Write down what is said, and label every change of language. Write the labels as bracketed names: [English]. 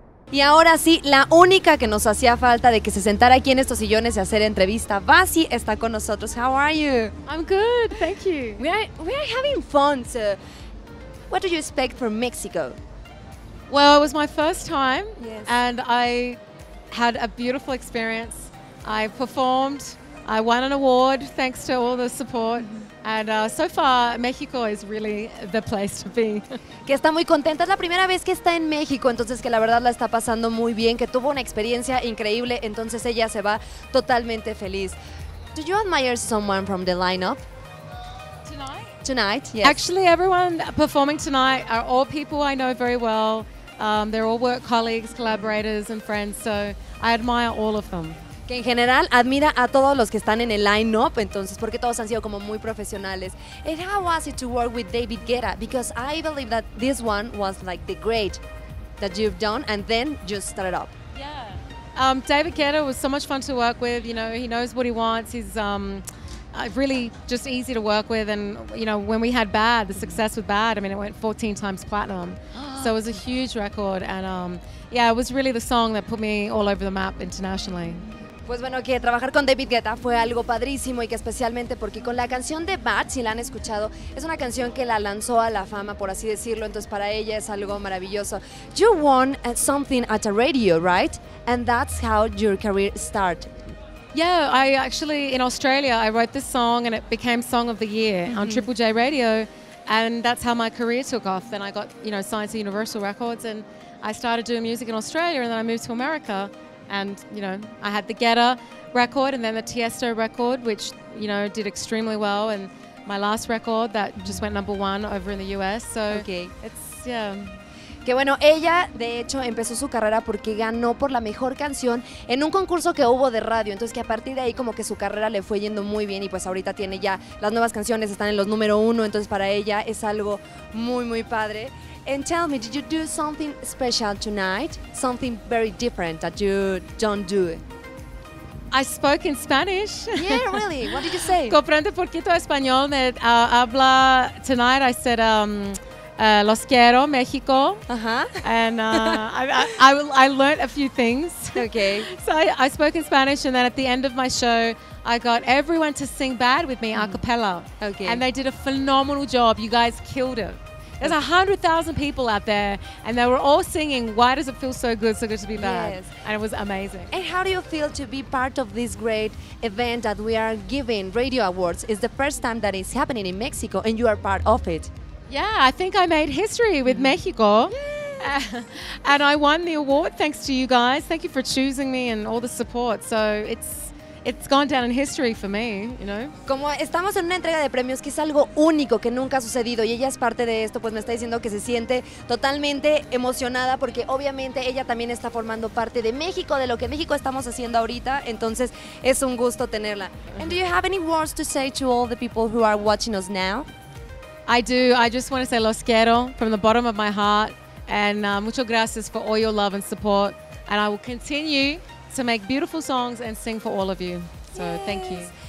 [Spanish] Y ahora sí, la única que nos hacía falta de que se sentara aquí en estos sillones y hacer entrevista, Vassy está con nosotros. [English] How are you? I'm good, thank you. We are having fun, so what do you expect from Mexico? Well, it was my first time. Yes. And I had a beautiful experience. I performed, I won an award thanks to all the support. And so far, Mexico is really the place to be. [Spanish] Que está muy contenta. Es la primera vez que está en México, entonces que la verdad la está pasando muy bien, que tuvo una experiencia increíble, entonces ella se va totalmente feliz. [English] Do you admire someone from the lineup? Tonight, yes. Actually, everyone performing tonight are all people I know very well. They're all work colleagues, collaborators, and friends, so I admire all of them. [Spanish] Que en general admira a todos los que están en el line-up, entonces, porque todos han sido como muy profesionales. [English] And how was it to work with David Guetta? Because I believe that this one was like the great that you've done and then just started up. Yeah. David Guetta was so much fun to work with. You know, he knows what he wants. He's really just easy to work with. And, you know, when we had Bad, the success with Bad, I mean, it went 14 times platinum. So it was a huge record. And, it was really the song that put me all over the map internationally. [Spanish] Pues bueno, que trabajar con David Guetta fue algo padrísimo y que especialmente porque con la canción de Bad, si la han escuchado, es una canción que la lanzó a la fama, por así decirlo, entonces para ella es algo maravilloso. [English] You won something at a radio, right? And that's how your career started. Yeah, I actually, in Australia, I wrote this song and it became Song of the Year on Triple J Radio. And that's how my career took off. Then I got, you know, signed to Universal Records and I started doing music in Australia and then I moved to America. And, you know, I had the Guetta record and then the Tiesto record, which, you know, did extremely well. And my last record that just went number one over in the US. So okay. It's, yeah. [Spanish] Que bueno, ella de hecho empezó su carrera porque ganó por la mejor canción en un concurso que hubo de radio. Entonces que a partir de ahí como que su carrera le fue yendo muy bien y pues ahorita tiene ya las nuevas canciones, están en los número uno. Entonces para ella es algo muy, muy padre. [English] And tell me, did you do something special tonight? Something very different that you don't do? I spoke in Spanish. Yeah, really? What did you say? [Spanish] Comprende poquito español. Me habla tonight. [English] I said, [Spanish] Los quiero, México. [English] Uh-huh. And I learned a few things. Okay. So I spoke in Spanish, and then at the end of my show, I got everyone to sing Bad with me a cappella. Okay. And they did a phenomenal job. You guys killed it. There's 100,000 people out there and they were all singing Why Does It Feel So Good To Be Bad. Yes. And it was amazing. And how do you feel to be part of this great event that we are giving, Radio Awards? It's the first time that it's happening in Mexico and you are part of it. Yeah, I think I made history with Mexico. Yes. And I won the award thanks to you guys. Thank you for choosing me and all the support. So It's gone down in history for me, you know. [Spanish] Como estamos en una entrega de premios que es algo único que nunca ha sucedido y ella es parte de esto, pues me está diciendo que se siente totalmente emocionada porque obviamente ella también está formando parte de México, de lo que México estamos haciendo ahorita, entonces es un gusto tenerla. [English] And do you have any words to say to all the people who are watching us now? I do. I just want to say [Spanish] los quiero [English] from the bottom of my heart and [Spanish] mucho gracias [English] for all your love and support and I will continue to make beautiful songs and sing for all of you. So yes. Thank you.